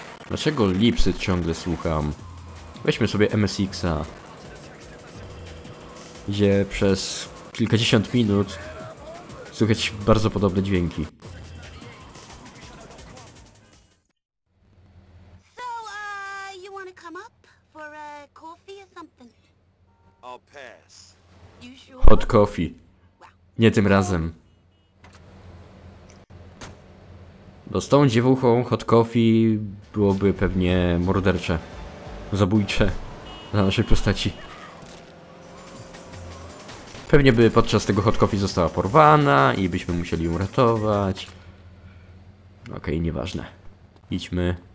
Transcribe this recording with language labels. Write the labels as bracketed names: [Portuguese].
[Polish] Dlaczego Lipsy ciągle słucham? Weźmy sobie MSX-a. Gdzie przez kilkadziesiąt minut słychać bardzo podobne dźwięki. [English] So, you wanna come up for a coffee or something? I'll pass. Hot coffee. [Polish] Nie tym razem. Bo z tą dziewuchą hot coffee byłoby pewnie mordercze. Zabójcze. Dla naszej postaci. Pewnie by podczas tego hot coffee została porwana i byśmy musieli ją ratować. Okej, nieważne. Idźmy.